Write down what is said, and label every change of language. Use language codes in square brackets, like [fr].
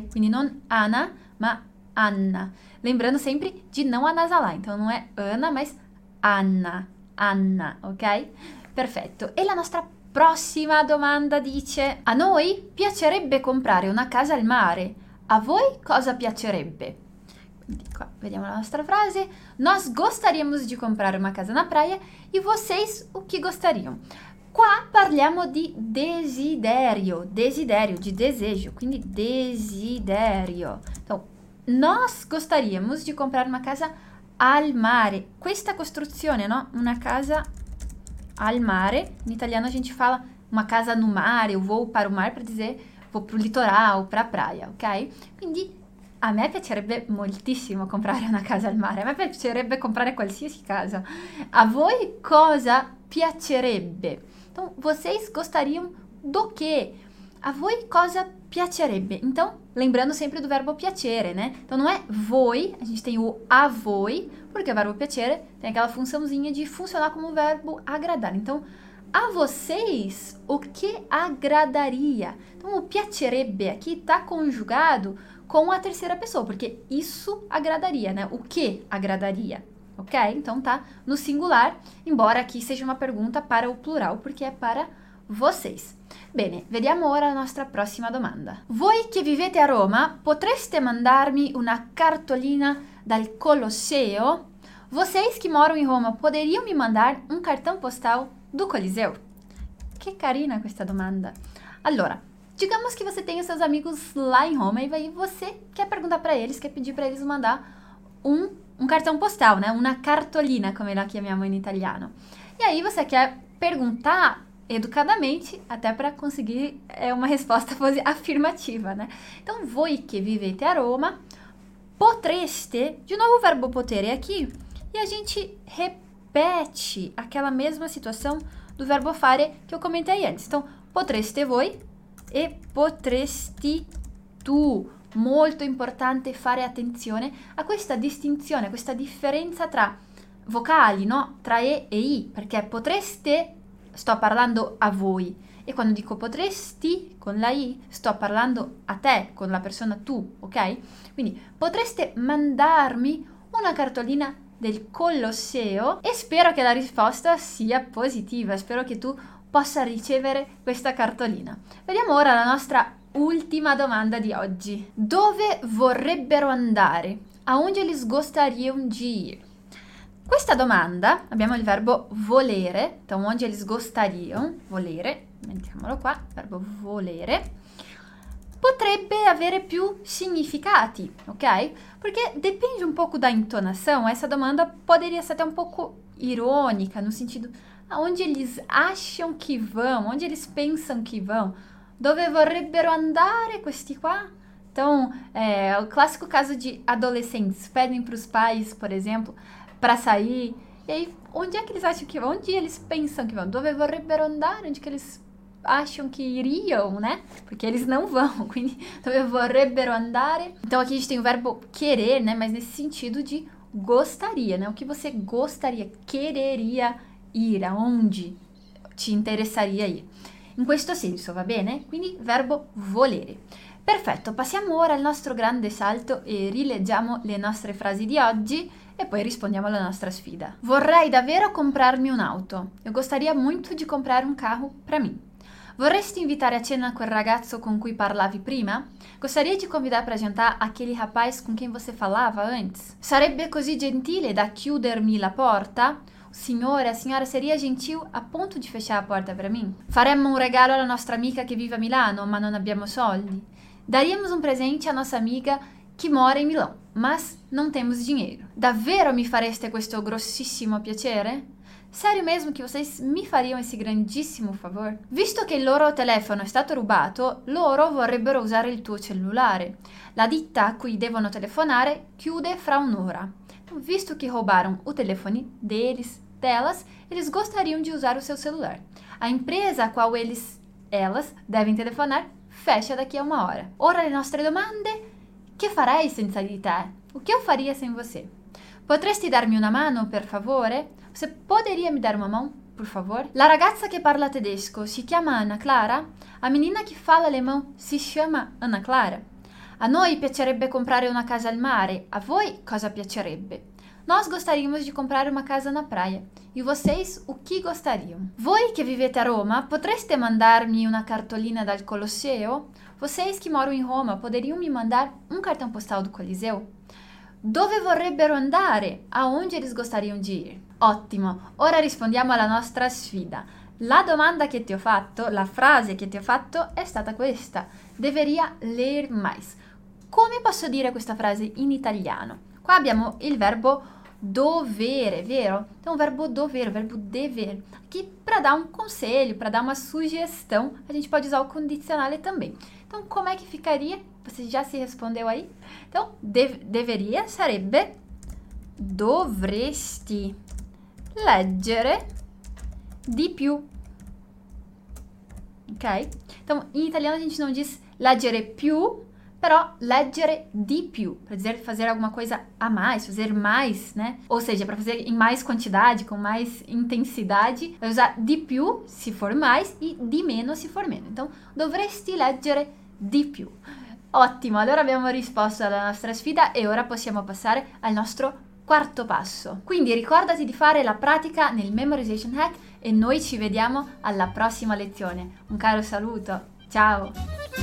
[it] Quindi non Anna, ma Anna. [pt] Lembrando sempre [it] di non anasalare, então non è Anna, ma Anna, Anna, ok? Perfetto. E la nostra prossima domanda dice: a noi piacerebbe comprare una casa al mare, a voi cosa piacerebbe? Qua, vediamo la nostra frase. [pt] Nós gostaríamos de comprar uma casa na praia e vocês o que gostariam? [it] Qua parliamo di desiderio, desiderio, di desejo, quindi desiderio. [pt] Então, nós gostaríamos de comprar uma casa [it] al mare. Questa costruzione, no? Una casa al mare. [pt] In italiano a gente fala uma casa no mar, eu vou para o mar para dizer vou pro litoral, pra praia, ok? [it] Quindi a me piacerebbe moltissimo comprare una casa al mare, a me piacerebbe comprare qualsiasi casa. A voi cosa piacerebbe? [pt] Então, vocês gostariam do quê? [it] A voi cosa piacerebbe? [pt] Então, lembrando sempre do verbo piacere, né? Então, não é voi, a gente tem o a voi, porque o verbo piacere tem aquela funçãozinha de funcionar como o verbo agradar. Então, a vocês, o que agradaria? Então, o piacerebbe aqui está conjugado com a terceira pessoa, porque isso agradaria, né? O que agradaria, ok? Então, tá no singular, embora aqui seja uma pergunta para o plural, porque é para vocês. [it] Bene, vediamo ora la nostra prossima domanda. Voi che vivete a Roma, potreste mandarmi una cartolina dal Colosseo? [pt] Vocês que moram em Roma, poderiam me mandar um cartão postal do Coliseu? [it] Que carina questa domanda. [pt] Allora, digamos que você tem os seus amigos lá em Roma e aí você quer perguntar para eles, quer pedir para eles mandar um cartão postal, né? [it] Una cartolina, come la chiama mia mãe in italiano. [pt] E aí você quer perguntar educadamente, até para conseguir uma resposta afirmativa, né? Então, [it] voi che vivete a Roma, potreste, [pt] de novo o verbo potere aqui, e a gente repete aquela mesma situação do verbo fare que eu comentei antes. Então, [it] potreste voi e potresti tu. Molto importante fare attenzione a questa distinzione, a questa differenza tra vocali, no? Tra e e i, perché potreste, sto parlando a voi, e quando dico potresti con la i, sto parlando a te, con la persona tu, ok? Quindi potreste mandarmi una cartolina del Colosseo e spero che la risposta sia positiva, spero che tu possa ricevere questa cartolina. Vediamo ora la nostra ultima domanda di oggi. Dove vorrebbero andare? [pt] Aonde eles gostariam de ir? [it] Questa domanda, abbiamo il verbo volere, [pt] então onde eles gostariam, [it] volere, mettiamolo qua, verbo volere, potrebbe avere più significati, ok? Perché dipende un poco [pt] da intonação, essa domanda poderia essere un poco ironica, no sentido, aonde eles acham que vão, onde eles pensam que vão, [it] dove vorrebbero andare questi qua? [pt] Então, o clássico caso de adolescentes, pedem para os pais, por exemplo, para sair, e aí, onde é que eles acham que vão? Onde eles pensam que vão? [it] Dove vorrebbero andare? [pt] Onde que eles acham que iriam, né? Porque eles não vão, [it] quindi, dove vorrebbero andare? [pt] Então, aqui a gente tem o verbo querer, né? Mas nesse sentido de gostaria, né? O que você gostaria, quereria ir, aonde te interessaria ir? [it] In questo senso, va bene? Quindi verbo volere. Perfetto, passiamo ora al nostro grande salto e rileggiamo le nostre frasi di oggi e poi rispondiamo alla nostra sfida. Vorrei davvero comprarmi un'auto. [pt] Eu gostaria muito de comprar um carro para mim. [it] Vorresti invitare a cena quel ragazzo con cui parlavi prima? [pt] Gostaria de convidar para jantar aquele rapaz com quem você falava antes? [it] Sarebbe così gentile da chiudermi la porta? [pt] Senhora, a senhora seria gentil a ponto de fechar a porta para mim? [it] Faremmo um regalo alla nostra amica che vive a Milano, ma non abbiamo soldi. [pt] Daríamos um presente à nossa amiga che mora in Milão, mas non temos dinheiro. [it] Davvero mi fareste questo grossissimo piacere? [pt] Sério mesmo que vocês me fariam esse grandissimo favor? [it] Visto che il loro telefono è stato rubato, loro vorrebbero usare il tuo cellulare. La ditta a cui devono telefonare chiude fra un'ora. [pt] Visto que roubaram o telefone deles, delas, eles gostariam de usar o seu celular. A empresa a qual eles, elas, devem telefonar fecha daqui a uma hora. [it] Ora le nostre domande. Che farei senza di te? [pt] O que eu faria sem você? [it] Potresti darmi una mano, per favore? [pt] Você poderia me dar uma mão, por favor? [it] La ragazza che parla tedesco si chiama Anna Clara? [pt] A menina que fala alemão [it] si chiama [pt] Anna Clara? [it] A noi piacerebbe comprare una casa al mare. A voi cosa piacerebbe? [pt] Nós gostaríamos de comprar uma casa na praia. E vocês, o que gostariam? [it] Voi che vivete a Roma, potreste mandarmi una cartolina dal Colosseo? [pt] Vocês que moram em Roma, poderiam me mandar um cartão postal do Coliseu? [it] Dove vorrebbero andare? [pt] Aonde eles gostariam de ir? [it] Ottimo! Ora rispondiamo alla nostra sfida. La domanda che ti ho fatto, la frase che ti ho fatto, è stata questa. [pt] Deveria ler mais. [it] Come posso dire questa frase in italiano? Qua abbiamo il verbo dovere, vero? [pt] Então, o verbo dovere, o verbo dever. Aqui, para dar um conselho, para dar uma sugestão, a gente pode usar o condizionale também. Então, como é que ficaria? Você já se respondeu aí? Então, deveria [it] sarebbe dovresti leggere di più. Ok? [pt] Então, [it] in italiano [pt] a gente [it] non dice leggere più, [pt] però [it] leggere di più, per dire fare [pt] alguma cosa a mais, fazer mais, né? Ou seja, para fazer in mais quantidade, con mais intensidade, vai usar [it] di più [pt] se for mais e [it] di meno [pt] se for meno. [it] Então, dovresti leggere di più. Ottimo, allora abbiamo risposto alla nostra sfida e ora possiamo passare al nostro quarto passo. Quindi ricordati di fare la pratica nel Memorization Hack e noi ci vediamo alla prossima lezione. Un caro saluto, ciao!